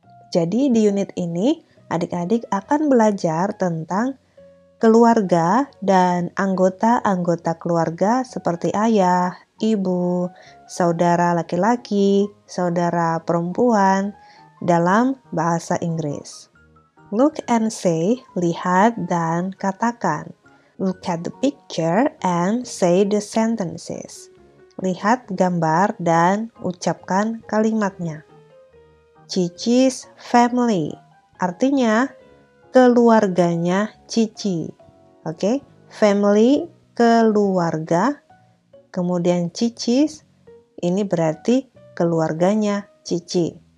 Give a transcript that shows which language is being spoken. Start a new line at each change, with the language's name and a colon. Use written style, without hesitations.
Indonesian: Jadi di unit ini, adik-adik akan belajar tentang keluarga dan anggota-anggota keluarga seperti ayah, ibu, saudara laki-laki, saudara perempuan dalam bahasa Inggris.
English: Look and say,
Indonesian: lihat dan katakan.
English: Look at the picture and say the sentences.
Indonesian: Lihat gambar dan ucapkan kalimatnya.
English: Cici's family,
Indonesian: artinya keluarganya Cici. Oke, family, keluarga. Kemudian Cici's, ini berarti keluarganya Cici.